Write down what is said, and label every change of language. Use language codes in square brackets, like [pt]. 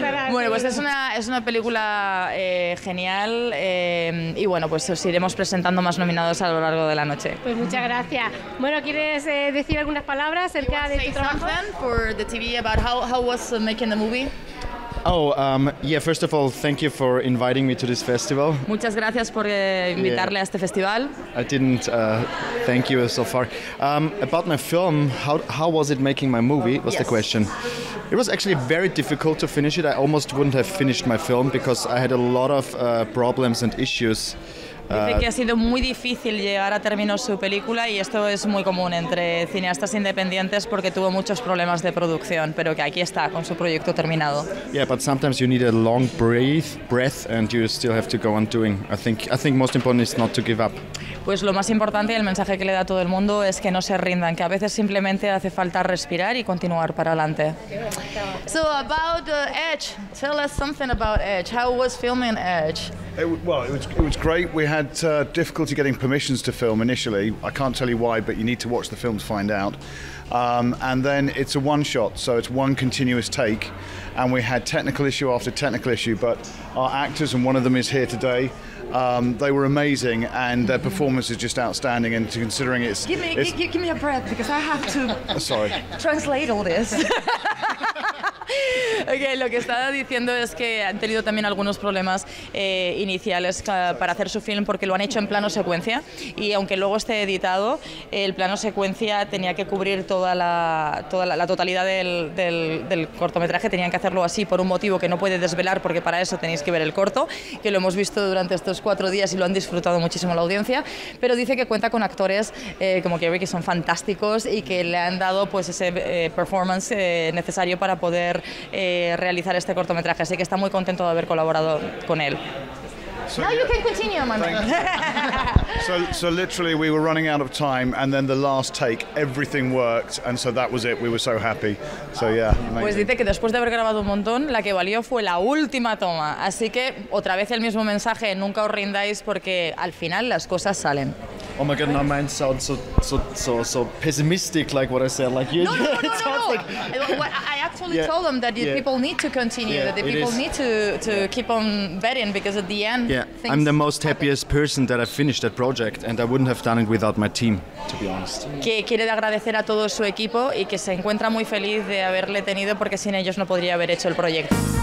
[es] Bueno, pues es una película genial y bueno, pues os iremos presentando más nominados a lo largo de la noche. Pues muchas gracias. Bueno, ¿quieres decir algunas palabras acerca de tu trabajo? [en] Then for the TV about how was making the movie? Oh, yeah, first of all, thank you for inviting me to this festival. [es] Muchas gracias por invitarle a este festival. [en] I didn't thank you so far. About my film, how was it making my movie, was the question. It was actually very difficult to finish it. I almost wouldn't have finished my film because I had a lot of problems and issues. [es] Dice que ha sido muy difícil llegar a término su película y esto es muy común entre cineastas independientes porque tuvo muchos problemas de producción, pero que aquí está con su proyecto terminado. [en] Yeah, but sometimes you need a long breath and you still have to go on doing. I think most important is not to give up. [es] Pues lo más importante y el mensaje que le da a todo el mundo es que no se rindan, que a veces simplemente hace falta respirar y continuar para adelante. [en] So about Edge, tell us something about Edge. How was filming Edge? It was great. We had difficulty getting permissions to film initially. I can't tell you why, but you need to watch the film to find out. And then it's a one shot, so it's one continuous take. And we had technical issue after technical issue, but our actors, and one of them is here today, they were amazing, and their performance is just outstanding. And considering it's... Give me a breath, because I have to... Sorry. ...translate all this. [es] Okay, lo que estaba diciendo es que han tenido también algunos problemas iniciales para hacer su film porque lo han hecho en plano secuencia y aunque luego esté editado, el plano secuencia tenía que cubrir toda la totalidad del cortometraje, tenían que hacerlo así por un motivo que no puede desvelar porque para eso tenéis que ver el corto, que lo hemos visto durante estos 4 días y lo han disfrutado muchísimo la audiencia, pero dice que cuenta con actores como Gary que son fantásticos y que le han dado pues ese performance necesario para poder realizar este cortometraje, así que está muy contento de haber colaborado con él. [en] So, now you can continue, my man. So literally we were running out of time and then the last take everything worked and so that was it, we were so happy. So yeah, amazing. [es] Pues dice que después de haber grabado un montón, la que valió fue la última toma, así que otra vez el mismo mensaje, nunca os rindáis porque al final las cosas salen. [en] Oh my god, my mind sounds so pessimistic, like what I said, like you. No. Like... I actually told them that people need to continue, that people need to keep on betting because at the end. Yeah, I'm the most happiest person that I finished that project, and I wouldn't have done it without my team, to be honest. [es] Que quiere agradecer a todo su equipo y que se encuentra muy feliz de haberle tenido porque sin ellos no podría haber hecho el proyecto.